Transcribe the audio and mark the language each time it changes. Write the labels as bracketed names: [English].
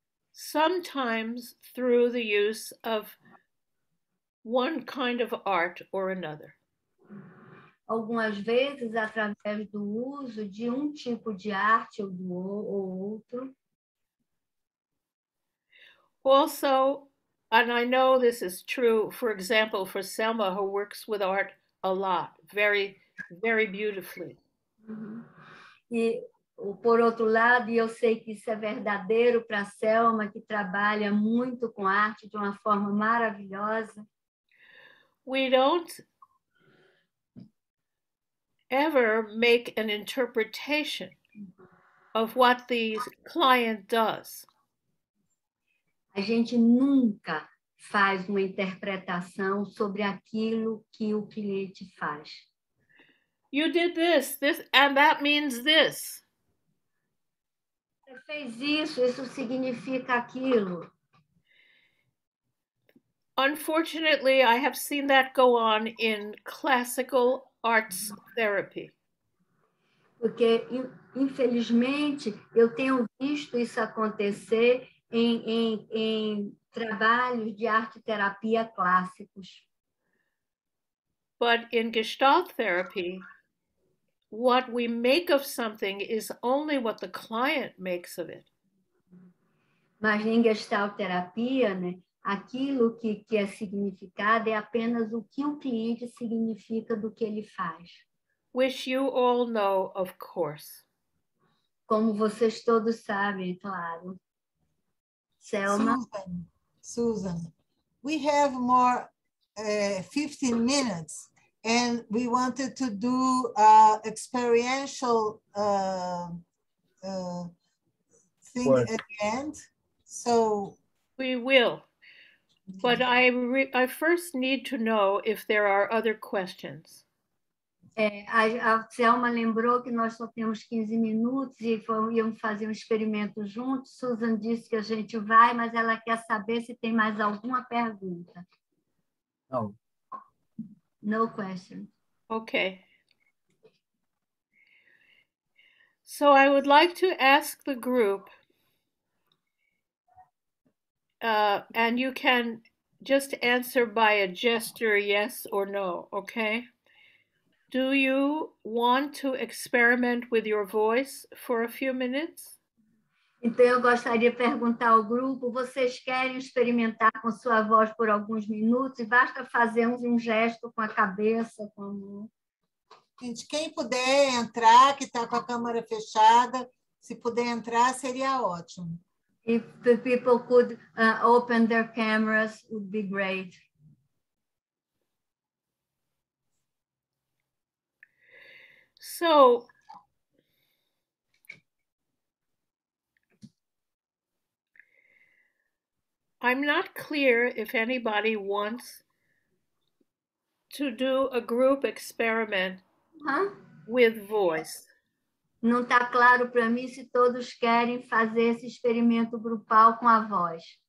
[English] Sometimes through the use of one kind of art or another. [Portuguese] Algumas vezes através do uso de um tipo de arte ou do outro. [English] Also, and I know this is true, for example, for Selma, who works with art a lot, very, very beautifully. Uhum. [Portuguese] E por outro lado, eu sei que isso é verdadeiro para Selma, que trabalha muito com arte de uma forma maravilhosa. [English] We don't ever make an interpretation of what the client does. [Portuguese] A gente nunca faz uma interpretação sobre aquilo que o cliente faz. [English] You did this, and that means this. [Portuguese] Você fez isso significa aquilo. [English] Unfortunately, I have seen that go on in classical arts therapy. [Portuguese] Porque, infelizmente, eu tenho visto isso acontecer em trabalhos de arte terapia clássicos. [English] But in Gestalt therapy, what we make of something is only what the client makes of it. [Portuguese] Mas em Gestalt terapia, né, aquilo que é significado é apenas o que o cliente significa do que ele faz. [English] Which you all know, of course. [Portuguese] Como vocês todos sabem, claro. Selma? [English] Susan, we have more 15 minutes. And we wanted to do experiential thing at the end. So we will. But I first need to know if there are other questions. [Portuguese] A Selma lembrou que nós só temos 15 minutos e íamos fazer um experimento juntos. Susan disse que a gente vai, mas ela quer saber se tem mais alguma pergunta. Não. [English] No question. Okay. So I would like to ask the group, and you can just answer by a gesture, yes or no, okay? Do you want to experiment with your voice for a few minutes? [Portuguese] Então eu gostaria de perguntar ao grupo, vocês querem experimentar com sua voz por alguns minutos? E basta fazer um gesto com a cabeça, com a mão. Gente, quem puder entrar, que está com a câmera fechada, se puder entrar, seria ótimo. [English] If the people could open their cameras, would be great. So, I'm not clear if anybody wants to do a group experiment with voice. [Portuguese] Não está claro para mim se todos querem fazer esse experimento grupal com a voz.